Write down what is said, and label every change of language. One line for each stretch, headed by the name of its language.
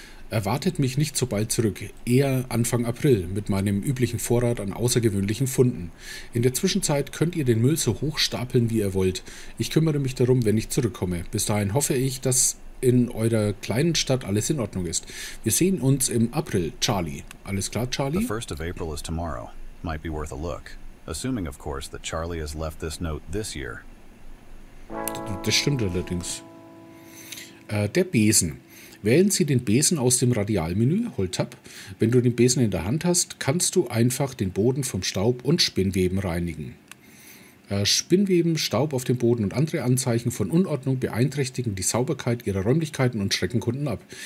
German: Erwartet mich nicht so bald zurück, eher Anfang April, mit meinem üblichen Vorrat an außergewöhnlichen Funden. In der Zwischenzeit könnt ihr den Müll so hoch stapeln, wie ihr wollt. Ich kümmere mich darum, wenn ich zurückkomme. Bis dahin hoffe ich, dass in eurer kleinen Stadt alles in Ordnung ist. Wir sehen uns im April, Charlie. Alles klar, Charlie?
English: The 1st of April is tomorrow. Might be worth a look. Assuming, of course, that Charlie has left this note this year.
German: Das stimmt allerdings. Der Besen. Wählen Sie den Besen aus dem Radialmenü, Hold Tab. Wenn du den Besen in der Hand hast, kannst du einfach den Boden vom Staub und Spinnweben reinigen. Spinnweben, Staub auf dem Boden und andere Anzeichen von Unordnung beeinträchtigen die Sauberkeit ihrer Räumlichkeiten und schrecken Kunden ab.